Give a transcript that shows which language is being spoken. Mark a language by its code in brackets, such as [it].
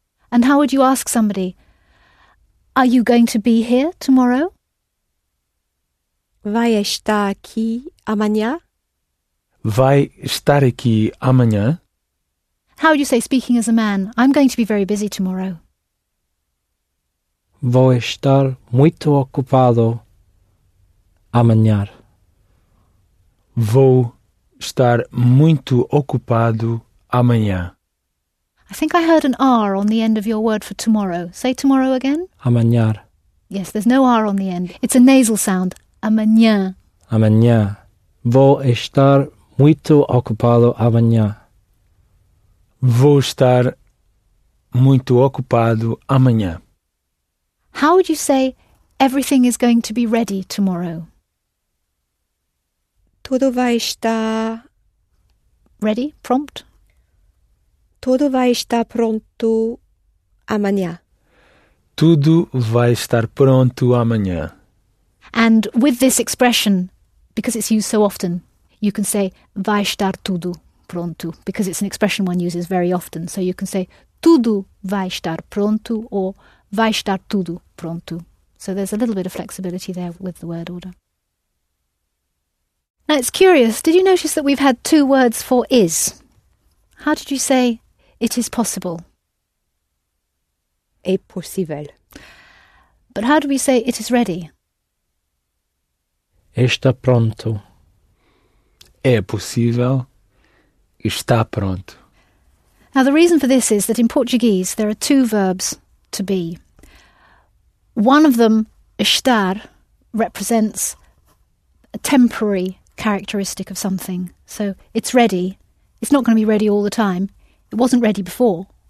[en] And how would you ask somebody, are you going to be here tomorrow? [pt] Vai estar aqui amanhã? Vai estar aqui amanhã? [en] How would you say, speaking as a man, I'm going to be very busy tomorrow? [pt] Vou estar muito ocupado amanhã. Vou estar muito ocupado amanhã. [en] I think I heard an R on the end of your word for tomorrow. Say tomorrow again. [pt] Amanhã. [en] Yes, there's no R on the end. It's a nasal sound. Amanhã. [pt] Amanhã. Vou estar muito ocupado amanhã. Vou estar muito ocupado amanhã. [en] How would you say everything is going to be ready tomorrow? [pt] Tudo vai estar... [en] Ready? Prompt? [pt] Tudo vai estar pronto amanhã. Tudo vai estar pronto amanhã. [en] And with this expression, because it's used so often, you can say [pt] vai estar tudo pronto, [en] because it's an expression one uses very often. So you can say [pt] tudo vai estar pronto [en] or [pt] vai estar tudo pronto. [en] So there's a little bit of flexibility there with the word order. Now it's curious, did you notice that we've had two words for is? How did you say it is possible? [pt] É possível. [en] But how do we say it is ready? [pt] está pronto. É possível estar pronto. [en] Now, the reason for this is that in Portuguese, there are two verbs to be. One of them, estar, represents a temporary characteristic of something. So it's ready. It's not going to be ready all the time. It wasn't ready before.